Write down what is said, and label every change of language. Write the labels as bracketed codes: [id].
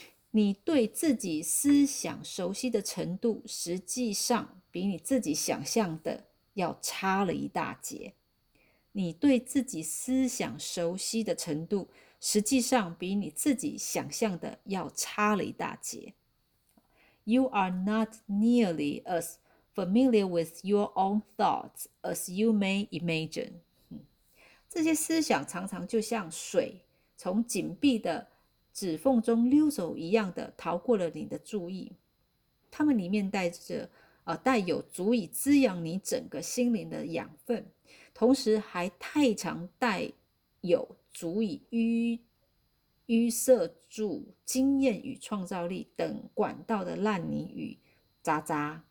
[zh] 你对自己思想熟悉的程度实际上比你自己想象的要差了一大截。你对自己思想熟悉的程度实际上比你自己想象的要差了一大截。 [en] You are not nearly as familiar with your own thoughts as you may imagine。 [zh] 这些思想常常就像水从紧闭的指缝中溜走一样的逃过了你的注意，它们里面带着带有足以滋养你整个心灵的养分，同时还太常带有足以淤塞住经验与创造力等管道的烂泥与渣渣。